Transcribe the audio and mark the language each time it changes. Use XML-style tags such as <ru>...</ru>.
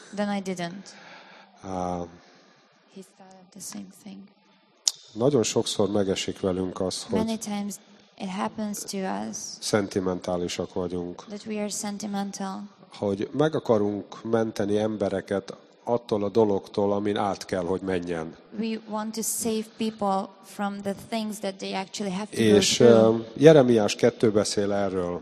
<en>Then I didn't. He thought of the same thing.</en> <hu>Nagyon sokszor megesik velünk az, hogy</hu> <en>many times it happens to us.</en> <hu>Szentimentálisak vagyunk.</hu> <en>That we are sentimental.</en> <hu>Hogy meg akarunk menteni embereket attól a dologtól, amin át kell, hogy menjen.</hu> <en>We want to save people from the things that they actually have to go through.</en> <hu>És Jeremiás 2 beszél erről.</hu>